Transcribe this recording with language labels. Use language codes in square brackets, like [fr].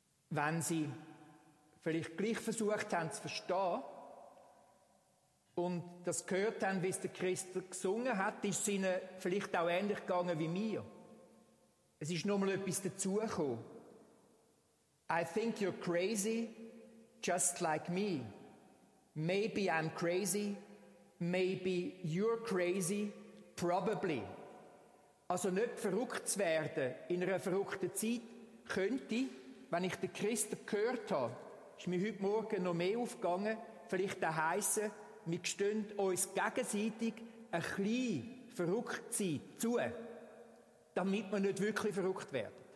[de] Wenn Sie vielleicht gleich versucht haben zu verstehen und das gehört haben, wie es der Christ gesungen hat, ist es Ihnen vielleicht auch ähnlich gegangen wie mir. Es ist nochmal etwas dazugekommen. [en] I think you're crazy, just like me. Maybe I'm crazy, maybe you're crazy, probably. [de] Also nicht verrückt zu werden in einer verrückten Zeit, könnte ich. Wenn ich den Christen gehört habe, ist mir heute Morgen noch mehr aufgegangen, vielleicht auch heissen, wir stehen uns gegenseitig ein bisschen verrückt sein zu, damit wir nicht wirklich verrückt werden.